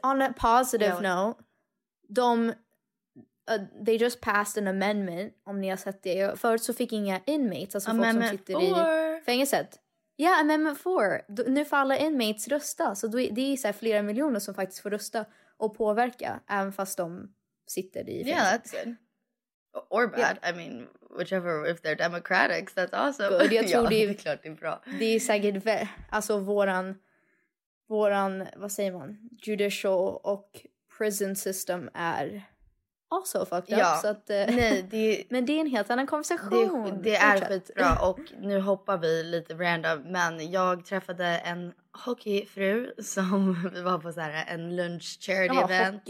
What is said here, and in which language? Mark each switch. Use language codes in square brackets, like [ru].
[sv] Men [en] on a positive note, [sv] de [en] they just passed an amendment, [sv] om ni har sett det. Förut så fick inga inmates, alltså [en] amendment [sv] folk som sitter [en] four. [sv] I fängelset. Ja, yeah, amendment 4. Nu får alla inmates rösta. Så det är så här flera miljoner som faktiskt får rösta och påverka, även fast de... sitter i fängelse. [en] Yeah, that's good. Or bad. Yeah. I mean, whichever, if they're democratic, that's awesome. Good. [sv] Jag tror ja, det är klart det är bra. Det är säkert, alltså våran, vad säger man, judicial och prison system är [en] also fucked up. [sv] Ja. Så att, nej, det är, men det är en helt annan konversation. Det är skitbra, och nu hoppar vi lite random, men jag träffade en hockeyfru som vi var på så här en lunch charity event.